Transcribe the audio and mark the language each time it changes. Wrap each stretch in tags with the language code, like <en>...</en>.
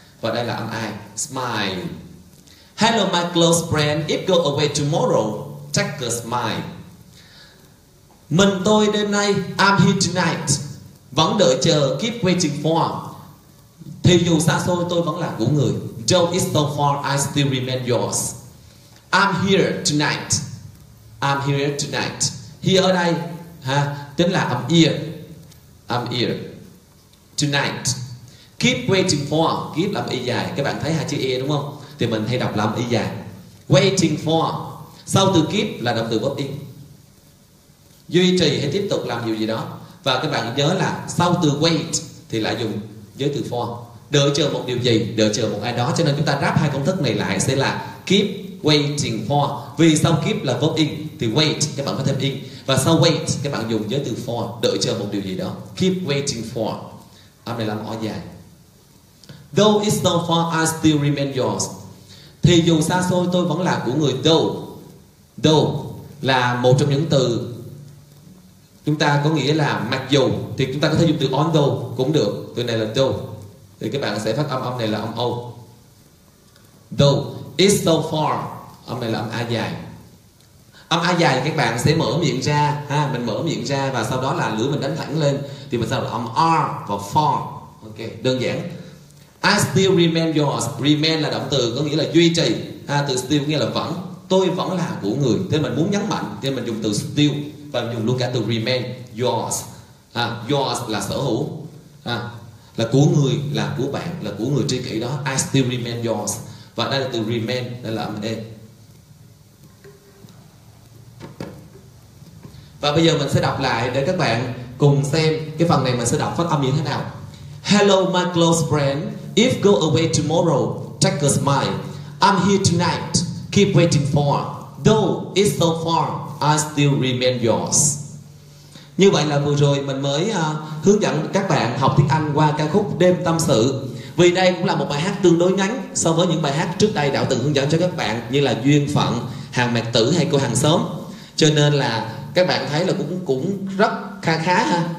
<vi>Và đây là âm ai,</vi> <en>smile. Hello my close friend, if go away tomorrow, take a smile.</en> <vi>Mình tôi đêm nay,</vi> <en>I'm here tonight,</en> <vi>vẫn đợi chờ,</vi> <en>keep waiting for.</en> <vi>Thì dù xa xôi tôi vẫn là của người.</vi> <en>Though it's so far, I still remain yours. I'm here tonight. I'm here tonight. Here</en> <vi>ở đây, ha, tính là</vi> <en>I'm here. I'm here tonight. Keep waiting for.</en> <vi>Keep là y dài. Các bạn thấy hai chữ e đúng không? Thì mình hay đọc làm y dài.</vi> <en>Waiting for.</en> <vi>Sau từ keep là động từ verb in. Duy trì hay tiếp tục làm điều gì đó. Và các bạn nhớ là sau từ wait thì lại dùng với từ for. Đợi chờ một điều gì, đợi chờ một ai đó. Cho nên chúng ta ráp hai công thức này lại sẽ là</vi> <en>keep waiting for.</en> <vi>Vì sau keep là verb in thì wait các bạn có thêm in. Và sau wait các bạn dùng với từ for, đợi chờ một điều gì đó.</vi> <en>Keep waiting for.</en> <vi>Âm này làm o dài.</vi> <en>Though it's so far, I still remain yours.</en> <vi>Thì dù xa xôi tôi vẫn là của người. Though. Though là một trong những từ chúng ta có nghĩa là mặc dù. Thì chúng ta có thể dùng từ although cũng được. Từ này là though. Thì các bạn sẽ phát âm này là âm O.</vi> <en>Though it's so far,</en> <vi>âm này là âm A dài. Âm A dài các bạn sẽ mở miệng ra ha. Mình mở miệng ra và sau đó là lưỡi mình đánh thẳng lên. Thì mình sẽ là âm R và far. Ok, đơn giản.</vi> <en>I still remain yours.</en> <vi>Remain là động từ có nghĩa là duy trì ha. Từ still có nghĩa là vẫn. Tôi vẫn là của người. Thế mình muốn nhấn mạnh, thế mình dùng từ still. Và dùng luôn cả từ remain, yours ha. Yours là sở hữu ha. Là của người, là của bạn, là của người tri kỷ đó.</vi> <en>I still remain yours.</en> <vi>Và đây là từ remain, đây là âm E. Và bây giờ mình sẽ đọc lại để các bạn cùng xem cái phần này mình sẽ đọc phát âm như thế nào.</vi> <en>Hello my close friend, if go away tomorrow, take a smile. I'm here tonight, keep waiting for. Though it's so far, I still remain yours.</en> <vi>Như vậy là vừa rồi mình mới hướng dẫn các bạn học tiếng Anh qua ca khúc Đêm Tâm Sự. Vì đây cũng là một bài hát tương đối ngắn so với những bài hát trước đây Đạo từng hướng dẫn cho các bạn, như là Duyên Phận, Hàng Mạc Tử hay Cô Hàng Xóm. Cho nên là các bạn thấy là cũng rất kha khá ha.</vi>